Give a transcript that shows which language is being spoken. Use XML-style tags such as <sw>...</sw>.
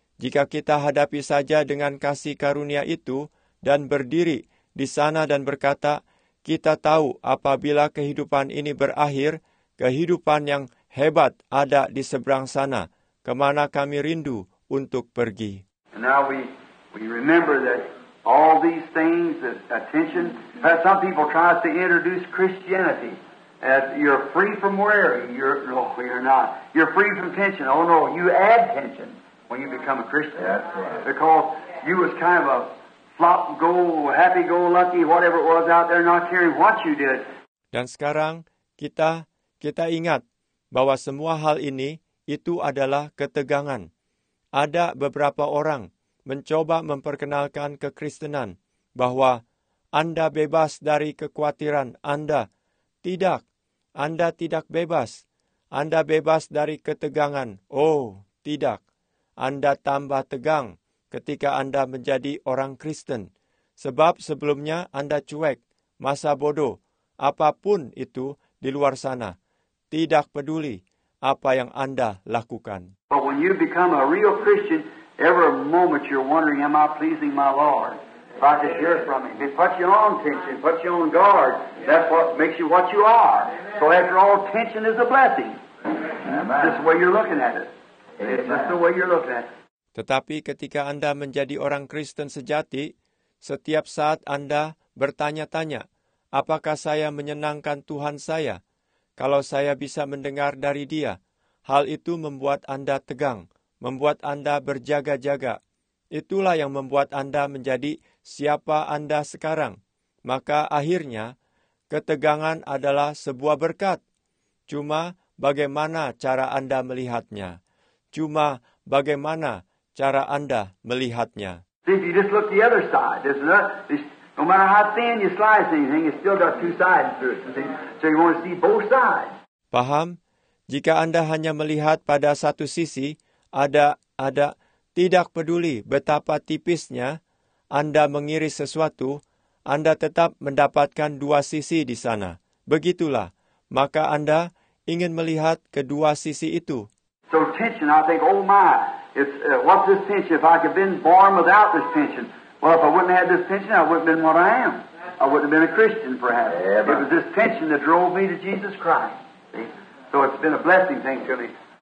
<id>Jika kita hadapi saja dengan kasih karunia itu dan berdiri di sana dan berkata, kita tahu apabila kehidupan ini berakhir, kehidupan yang hebat ada di seberang sana, kemana kami rindu untuk pergi.</id> <en>And now we remember that all these things, that attention, some people try to introduce Christianity as you're free from worry. You're not. You're free from tension. Oh no, you add tension when you become a Christian. That's right. Because you was kind of a flop, go, happy, go, lucky, whatever it was out there, not caring what you did.</en> <id>Dan sekarang kita ingat bahwa semua hal ini itu adalah ketegangan. Ada beberapa orang mencoba memperkenalkan kekristenan bahwa Anda bebas dari kekhawatiran Anda. Tidak, Anda tidak bebas. Anda bebas dari ketegangan. Oh, tidak. Anda tambah tegang ketika Anda menjadi orang Kristen. Sebab sebelumnya Anda cuek, masa bodoh, apapun itu di luar sana. Tidak peduli apa yang Anda lakukan.</id> <en>But when you become a real Christian, every moment you're wondering, am I pleasing my Lord? If I could hear from Him, it puts you on tension, puts you on guard. That's what makes you what you are. So after all, tension is a blessing. That's the way you're looking at it. That's the way you're looking at it.</en> <id>Tetapi ketika Anda menjadi orang Kristen sejati, setiap saat Anda bertanya-tanya, apakah saya menyenangkan Tuhan saya? Kalau saya bisa mendengar dari Dia, hal itu membuat Anda tegang. Membuat Anda berjaga-jaga. Itulah yang membuat Anda menjadi siapa Anda sekarang. Maka akhirnya, ketegangan adalah sebuah berkat. Cuma bagaimana cara Anda melihatnya? Cuma bagaimana cara Anda melihatnya?</id> <en>See, if you just look the other side, no matter how thin you slice anything, it's still got two sides to it. So you want to see both sides.</en> <id>Paham? Jika Anda hanya melihat pada satu sisi, Ada, tidak peduli betapa tipisnya Anda mengiris sesuatu, Anda tetap mendapatkan dua sisi di sana. Begitulah, maka Anda ingin melihat kedua sisi itu.</id> <en>So tension, I think, oh my, what's this tension? If I could have been born without this tension, well, if I wouldn't have this tension, I wouldn't have been what I am. I wouldn't have been a Christian, perhaps. Yeah, it was this tension that drove me to Jesus Christ. See? So it's been a blessing thing to me.</en>